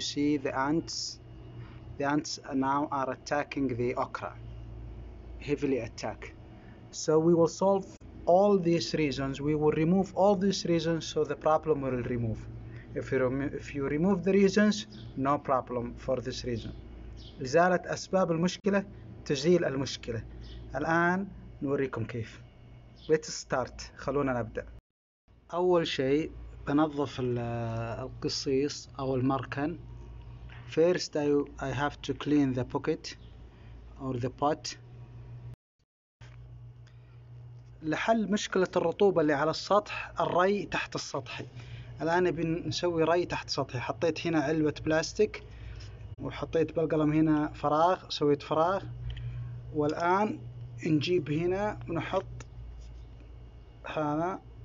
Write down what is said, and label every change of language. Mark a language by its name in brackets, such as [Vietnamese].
[English] You see the ants now are attacking the okra, heavily attack. So we will solve all these reasons, we will remove all these reasons, so the problem will remove. If you remove the reasons, no problem for this reason. [Arabic] إزالة أسباب المشكلة تزيل المشكلة. الآن نوريكم كيف. [English] Let's start. [Arabic] خلونا نبدأ. أول شيء بنظف القصيص أو المركن. [English] First I have to clean the pocket or the pot. [Arabic] لحل مشكلة الرطوبة اللي على السطح، الري تحت السطح. الآن بنسوي ري تحت سطحي. حطيت هنا علبة بلاستيك، وحطيت بالقلم هنا فراغ، سويت فراغ. والآن نجيب هنا ونحط هذا.